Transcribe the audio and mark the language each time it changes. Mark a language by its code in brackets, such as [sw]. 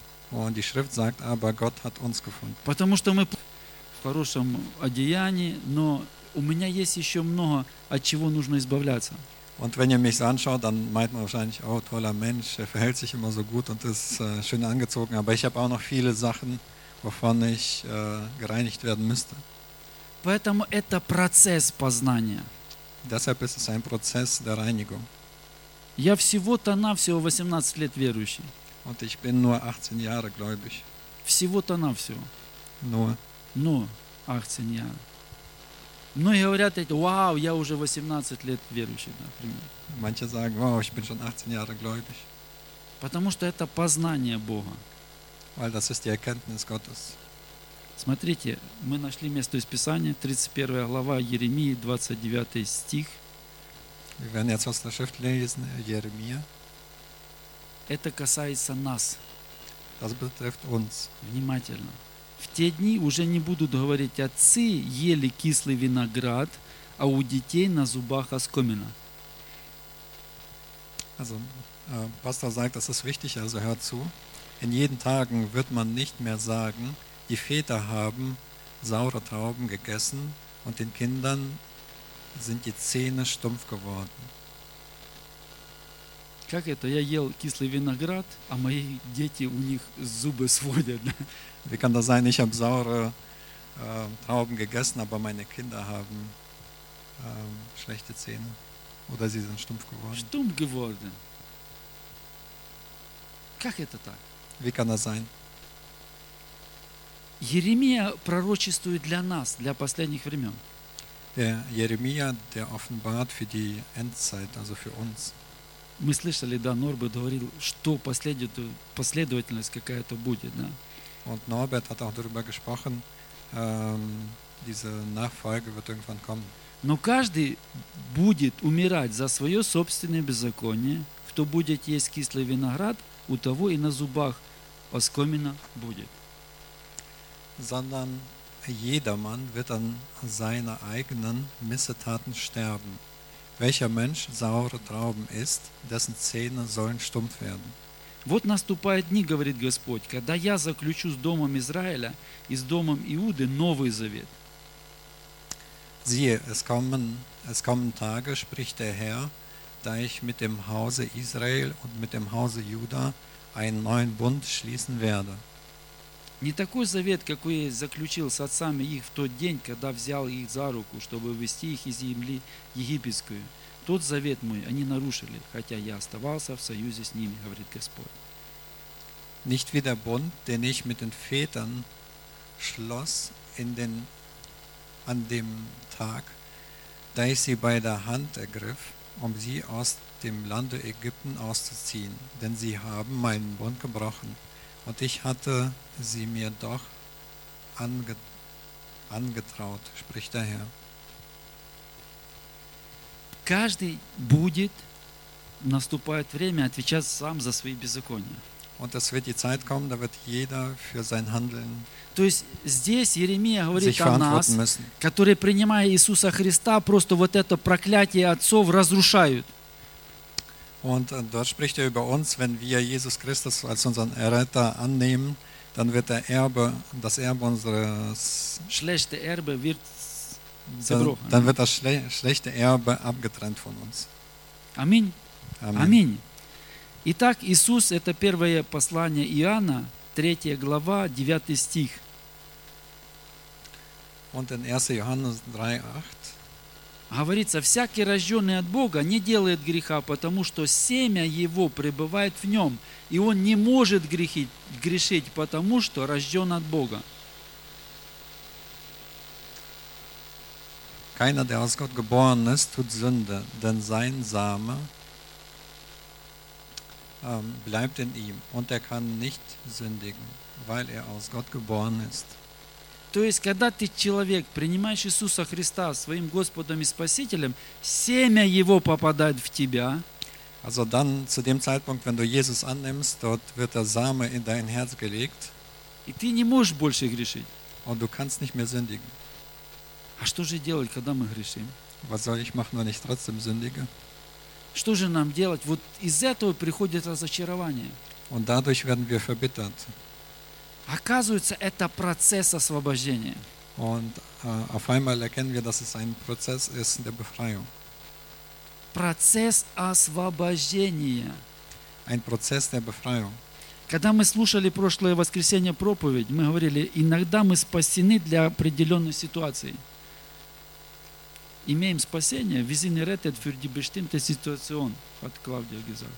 [de] Und die Schrift sagt, aber Gott hat uns gefunden. [ru] Потому что мы в хорошем одеянии, но у меня есть еще много, от чего нужно избавляться. [de] Und wenn ihr mich anschaut, dann meint man wahrscheinlich, oh, toller Mensch, er verhält sich immer so gut und ist schön angezogen. Aber ich habe auch noch viele Sachen, wovon ich gereinigt werden müsste. [ru] Поэтому это процесс познания. [de] Deshalb ist es ein Prozess der Reinigung. [ru] Я всего-то навсего 18 лет верующий. [de] Und ich bin nur 18 Jahre gläubig. [ru] Всего-то навсего. [de] Nur. Nur 18 Jahre. [ru] Многие говорят, вау, я уже 18 лет верующий, например. [de] Manche sagen, wow, ich bin schon 18 Jahre gläubig. [ru] Потому что это познание Бога. [de] Weil das ist die Erkenntnis Gottes. [ru] Смотрите, мы нашли место из Писания, 31 глава Иеремии, 29 стих. [de] Wir werden jetzt aus der Schrift lesen, Jeremia. [ru] Это касается нас. [de] Das betrifft uns. [ru] Внимательно. В те дни уже не будут говорить отцы, ели кислый виноград, а у детей на зубах оскомина. [de] Also, Pastor sagt, das ist wichtig, also hör zu. In jeden Tagen wird man nicht mehr sagen, die Väter haben saure Trauben gegessen und den Kindern sind die Zähne stumpf geworden. [ru] Как это? Я ел кислый виноград, а мои дети у них зубы сводят. [de] Wie kann das sein? Ich habe saure Trauben gegessen, aber meine Kinder haben schlechte Zähne. Oder sie sind stumpf geworden. Stumpf geworden. [ru] Как это так? [de] Wie kann das sein? [ru] Jeremia пророчествует для нас, для последних времен. [de] Der Jeremia, der offenbart für die Endzeit, also für uns. [ru] Мы слышали, да, Норберт говорил, что последовательность какая-то будет, да. [de] Und Norbert hat auch darüber gesprochen, diese Nachfolge wird irgendwann kommen. [ru] Но каждый будет умирать за свое собственное беззаконие, кто будет есть кислый виноград, у того и на зубах оскомина будет. [de] Sondern jedermann wird an seiner eigenen Missetaten sterben. Welcher Mensch saure Trauben isst, dessen Zähne sollen stumpf werden. [ru] Вот наступают дни, говорит Господь, когда я заключу с домом Израиля и с домом Иуды новый завет. [de] Siehe, es kommen Tage, spricht der Herr, da ich mit dem Hause Israel und mit dem Hause Juda einen neuen Bund schließen werde. [ru] Не такой завет, какой я заключил с отцами их в тот день, когда взял их за руку, чтобы вывести их из земли египетскую. Тот завет мой они нарушили, хотя я оставался в союзе с ними, говорит Господь. [de] Nicht wie der Bund, den ich mit den Vätern schloss an dem Tag, da ich sie bei der Hand ergriff, um sie aus dem Lande Ägypten auszuziehen, denn sie haben meinen Bund gebrochen. Und ich hatte sie mir doch angetraut, spricht der Herr. [ru] Каждый будет, наступает время, отвечать сам за свои беззакония. [de] Und es wird die Zeit kommen, da wird jeder für sein Handeln. [ru] То есть здесь Иеремия говорит о нас, которые принимая Иисуса Христа, просто вот это проклятие отцов разрушают. [de] Und dort spricht er über uns, wenn wir Jesus Christus als unseren Erretter annehmen, dann wird das schlechte Erbe abgetrennt von uns. Amen. Amen. [ru] Итак, Иисус, это первое послание Иоанна, 3 глава, 9 стих. [de] Und in 1. Johannes 3:8. [ru] Говорится, всякий рожденный от Бога не делает греха, потому что семя его пребывает в нем, и он не может грешить, потому что рожден от Бога. [de] Keiner, der aus Gott geboren ist, tut Sünde, denn sein Same bleibt in ihm, und er kann nicht sündigen, weil er aus Gott geboren ist. [ru] То есть, когда ты человек, принимаешь Иисуса Христа своим Господом и Спасителем, семя Его попадает в тебя. [de] Also dann, zu dem Zeitpunkt, wenn du Jesus annimmst, dort wird der Same in dein Herz gelegt. [ru] И ты не можешь больше грешить. [de] Und du kannst nicht mehr sündigen. [ru] А что же делать, когда мы грешим? [de] Was soll ich machen, wenn ich trotzdem sündige? [ru] Что же нам делать? Вот из этого приходит разочарование. [de] Und dadurch werden wir verbittert. [ru] Оказывается, это процесс освобождения. [de] Und auf einmal erkennen wir, dass es ein Prozess ist der Befreiung. [ru] Процесс освобождения. [de] Ein Prozess der Befreiung. [ru] Когда мы слушали прошлое воскресенье проповедь, мы говорили, иногда мы спасены для определенной ситуации. Имеем спасение. [de] Wir sind errettet für die bestimmte Situation, hat Claudia gesagt.